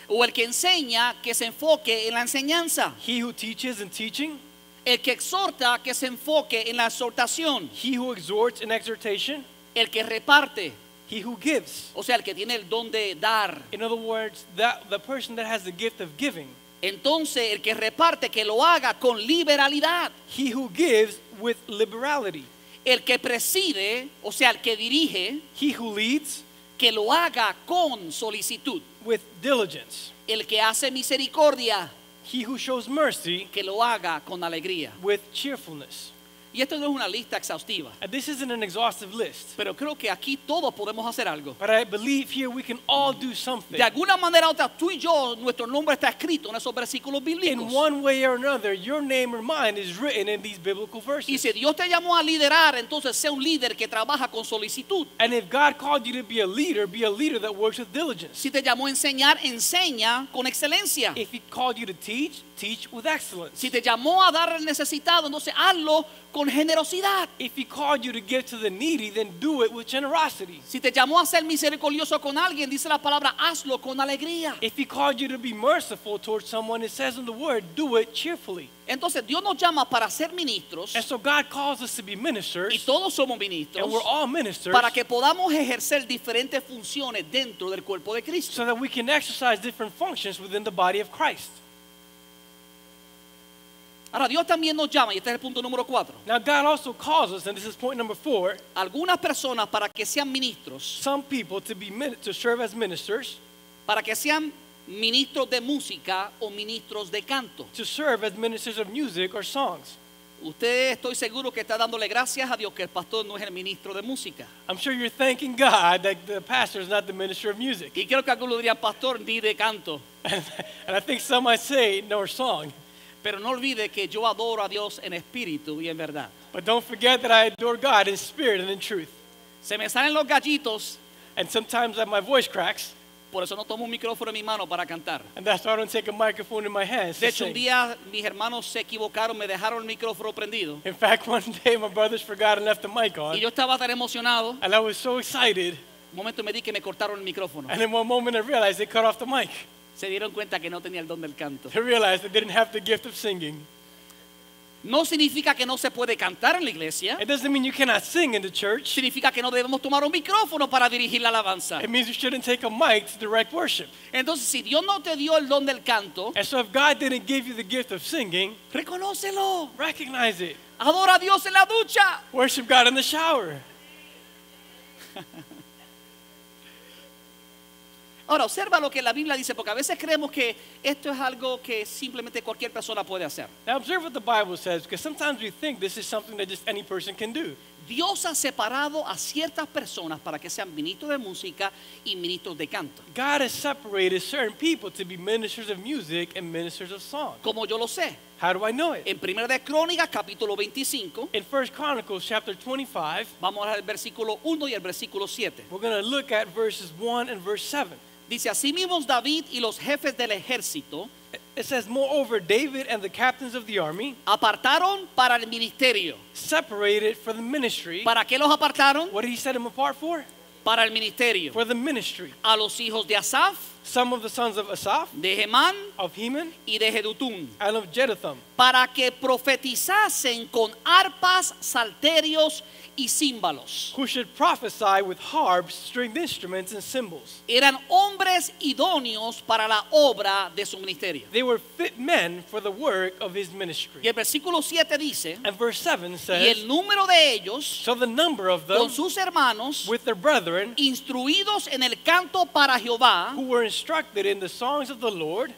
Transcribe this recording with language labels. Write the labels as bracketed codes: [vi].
[es] O el que enseña, que se enfoque en la enseñanza. [en] He who teaches in teaching. [es] El que exhorta, que se enfoque en la exhortación. [en] He who exhorts in exhortation. [es] El que reparte. [en] He who gives. [es] O sea, el que tiene el don de dar. [en] In other words, that the person that has the gift of giving. [es] Entonces, el que reparte, que lo haga con liberalidad. [en] He who gives with liberality. [es] El que preside, o sea, el que dirige. [en] He who leads. [es] Que lo haga con solicitud. [en] With diligence. [es] El que hace misericordia. [en] He who shows mercy. [es] Que lo haga con alegría. [en] With cheerfulness. [es] Y esto no es una lista exhaustiva. [en] And this isn't an exhaustive list. [es] Pero creo que aquí todos podemos hacer algo. [en] But I believe here we can all do something. [es] De alguna manera o otra, tú y yo, nuestro nombre está escrito en esos versículos bíblicos. [en] In one way or another, your name or mine is written in these biblical verses. [es] Y si Dios te llamó a liderar, entonces sé un líder que trabaja con solicitud. [en] And if God called you to be a leader that works with diligence. [es] Si te llamó a enseñar, enseña con excelencia. [en] If he called you to teach, teach with excellence. [es] Si te llamó a dar al necesitado, entonces hazlo con generosidad. [en] If he called you to give to the needy, then do it with generosity. [es] Si te llamó a ser misericordioso con alguien, dice la palabra, hazlo con alegría. [en] If he called you to be merciful towards someone, it says in the word, do it cheerfully. [es] Entonces Dios nos llama para ser ministros. [en] And so God calls us to be ministers. [es] Y todos somos ministros. [en] And we're all ministers. [es] Para que podamos ejercer diferentes funciones dentro del cuerpo de Cristo. [en] So that we can exercise different functions within the body of Christ. [es] Ahora Dios también nos llama y este es el punto número 4. [en] Now God also calls us, and this is point number 4. [es] Algunas personas para que sean ministros. [en] Some people to serve as ministers. [es] Para que sean ministros de música o ministros de canto. [en] To serve as ministers of music or songs. [es] Usted estoy seguro que está dándole gracias a Dios que el pastor no es el ministro de música. [en] I'm sure you're thanking God that the pastor is not the minister of music. [es] Y creo que algunos dirían pastor ni de canto. [en] And I think some might say nor song. [es] Pero no olvide que yo adoro a Dios en espíritu y en verdad. [en] But don't forget that I adore God in spirit and in truth. [es] Se me salen los gallitos. [en] And sometimes my voice cracks. [es] Por eso no tomo un micrófono en mi mano para cantar. [en] And that's why I don't take a microphone in my hands. [es] De hecho, un día mis hermanos se equivocaron, me dejaron el micrófono prendido. [en] In fact, one day my brothers forgot and left the mic on. [es] Y yo estaba tan emocionado. [en] And I was so excited. [es] Un momento me di que me cortaron el micrófono. [en] And in one moment I realized they cut off the mic. [es] Se dieron cuenta que no tenía el don del canto. [en] They realized they didn't have the gift of singing. [es] No significa que no se puede cantar en la iglesia. [en] It doesn't mean you cannot sing in the church. [es] Significa que no debemos tomar un micrófono para dirigir la alabanza. [en] It means you shouldn't take a mic to direct worship. [es] Entonces, si Dios no te dio el don del canto, [en] and so if God didn't give you the gift of singing, [es] reconócelo. [en] Recognize it. [es] Adora a Dios en la ducha. [en] Worship God in the shower. [es] Ahora observa lo que la Biblia dice, porque a veces creemos que esto es algo que simplemente cualquier persona puede hacer. [en] Now observe what the Bible says, because sometimes we think this is something that just any person can do. [es] Dios ha separado a ciertas personas para que sean ministros de música y ministros de canto. [en] God has separated certain people to be ministers of music and ministers of song. [es] ¿Cómo yo lo sé? [en] How do I know it? [es] En Primera de Crónicas capítulo 25. [en] In 1 Chronicles chapter 25. [es] Vamos al versículo 1 y el versículo 7. [en] We're going to look at verses 1 and verse 7. [es] Dice así mismo David y los jefes del ejército. [en] It says, moreover, David and the captains of the army [es] apartaron para el ministerio. [en] Separated for the ministry. [es] ¿Para qué los apartaron? [en] What did he set them apart for? [es] Para el ministerio. [en] For the ministry. [es] A los hijos de Asaf. [en] Some of the sons of Asaf. [es] De Heman. [en] Of Heman. [es] Y de Jeduthun. [en] And of Jeduthun. [es] Para que profetizasen con arpas, salterios y címbalos. [en] Who should prophesy with harps, stringed instruments, and cymbals. [es] Eran hombres idóneos para la obra de su ministerio. [en] They were fit men for the work of his ministry. [es] Y el versículo 7 dice. [en] And verse 7 says. [es] Y el número de ellos. [en] So the number of them. [es] Con sus hermanos. [en] With their brethren. [es] Instruidos en el canto para Jehová. [en] Who were instructed in the songs of the Lord.